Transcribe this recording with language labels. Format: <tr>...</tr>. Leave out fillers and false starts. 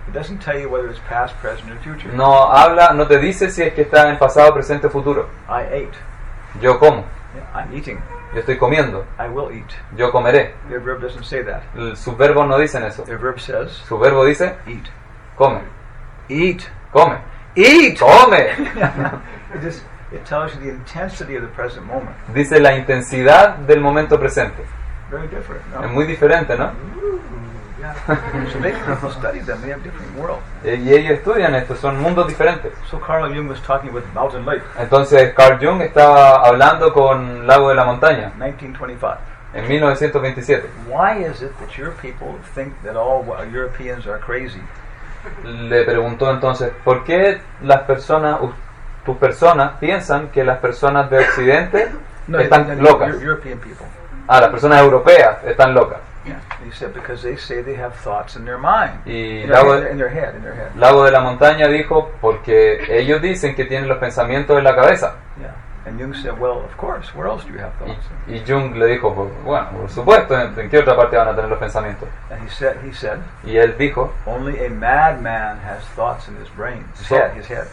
<en>It doesn't tell you whether it's past, present, or future.</en> <es>No habla, no te dice si es que está en pasado, presente, futuro.</es> <en>I ate.</en> <es>Yo como.</es> <en>Yeah, I'm eating.</en> <es>Yo estoy comiendo.</es> <en>I will eat.</en> <es>Yo comeré.</es> <en>Their verb doesn't say that.</en> <es>Su verbo no dice eso.</es> <en>Their verb says.</en> <es>Su verbo dice.</es> <en>Eat.</en> <es>Come.</es> <en>Eat.</en> <es>Come.</es> <en>Eat.</en> <es>Come.</es> <en>It tells you the intensity of the present moment.</en> <es>Dice la intensidad del momento presente.</es> <en>Very different. No?</en> <es>Es muy diferente, ¿no?</es> <en>Yeah. So they have different worlds.</en> <es>Y ellos estudian esto, son mundos diferentes.</es> <en>So Carl Jung was talking with Mountain Lake.</en> <es>Entonces Carl Jung estaba hablando con Lago de la Montaña.</es> <en>1925.</en> <es>En 1927.</es> <en>Why is it that your people think that all Europeans are crazy?</en> <es>Le preguntó entonces, ¿por qué las personas, tus personas, piensan que las personas de Occidente están locas?</es> <en>European people.</en> <es>Ah, las personas europeas están locas.</es> <en>Yeah. He said because they say they have thoughts in their mind.</en> <es>Y</es> <en>in their head.</en> <es>Lago de la Montaña dijo porque ellos dicen que tienen los pensamientos en la cabeza.</es> <en>Yeah. And Jung said, well, of course. Where else do you have thoughts?</en> <es>Y Jung le dijo, bueno, por supuesto. ¿En qué otra parte van a tener los pensamientos?</es> <en>And he said.</en> <es>Y él dijo.</es> <en>Only a madman has thoughts in his brain. His head.</en>